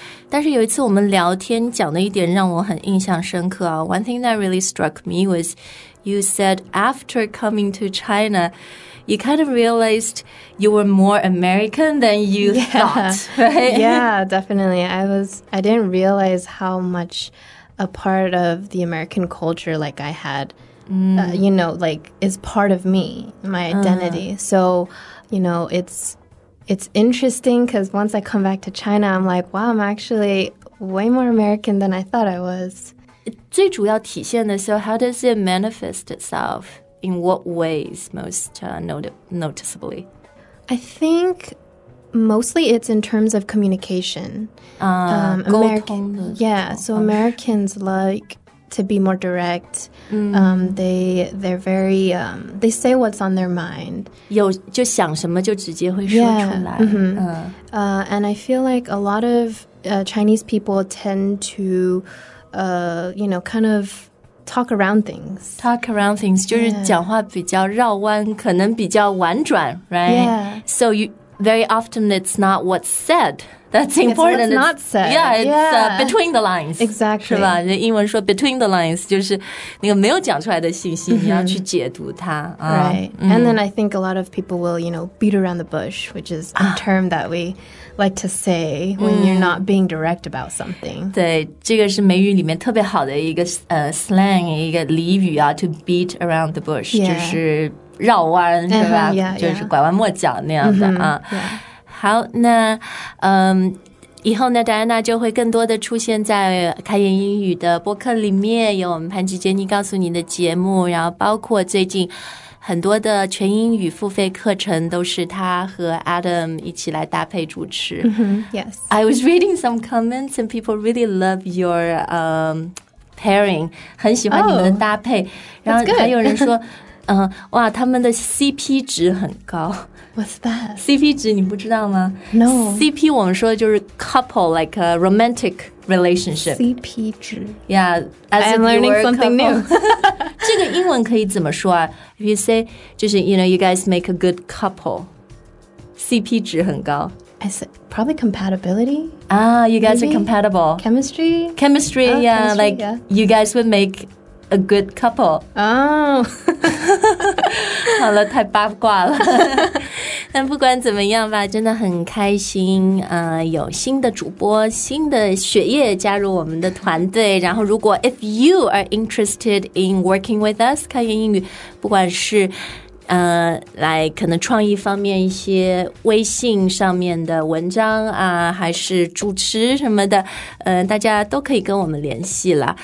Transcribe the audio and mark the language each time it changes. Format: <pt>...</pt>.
<zh>但是有一次我们聊天讲的一点让我很印象深刻啊。</zh> <en>One thing that really struck me was you said after coming to China. You kind of realized you were more American than you thought, right? Yeah, definitely. I didn't realize how much a part of the American culture like I had, you know, like is part of me, my identity. So, you know, it's interesting because once I come back to China, I'm like, wow, I'm actually way more American than I thought I was.</en> <zh>最主要体现的是</zh> <en>how does it manifest itself? In what ways most noticeably? I think mostly it's in terms of communication. Americans like to be more direct. They're very, they say what's on their mind.</en> <zh>就想什么就直接会说出来。</zh> <en>And I feel like a lot of Chinese people tend to, you know, kind of,Talk around things,</en> <zh>就是讲话比较绕弯，可能比较婉转 right?</zh> <en>Yeah. So very often it's not what's said that's important. It's not said. Between the lines. Exactly.</en> <zh>是吧？就英文说 between the lines, 就是那个没有讲出来的信息，你要去解读它。</zh> <en>Right. And then I think a lot of people will, you know, beat around the bush, which is a term that we... like to say when you're not being direct about something.</en> <zh>对，这个是美语里面特别好的一个slang, 一个俚语啊</zh> <en>to beat around the bush,</en> <zh>就是绕弯对吧 就是拐弯抹角那样的啊。好，那以后呢戴安娜就会更多的出现在开言英语的播客里面，有我们潘吉杰尼告诉你的节目，然后包括最近很多的全英语付费课程都是他和 Adam 一起来搭配主持。</zh> <en>Yes. I was reading some comments and people really love your pairing.</en> <zh>很喜欢你们的搭配。然后还有人说哇他们的 CP 值很高。</zh> <en>What's that?</en> <zh>CP 值你不知道吗</zh> <en>No.</en> <zh>CP 我们说的就是 couple,</zh> <en>like a romantic relationship.</en> <zh>CP 值</zh> <en>Yeah. I'm learning something new.</en> <zh>这个英文可以怎么说啊</zh> <en>If you say,</en> <zh>就是</zh> <en>you know, you guys make a good couple.</en> <zh>CP 值很高</zh> <en>I said, probably compatibility. You guys are compatible. Chemistry? Chemistry, like you guys would make a good couple. Oh.</en> <zh>好了太八卦了但不管怎么样吧真的很开心有新的主播新的血液加入我们的团队然后如果</zh> <en>if you are interested in working with us</en> <zh>开言英语不管是来可能创意方面一些微信上面的文章啊还是主持什么的大家都可以跟我们联系啦、</zh>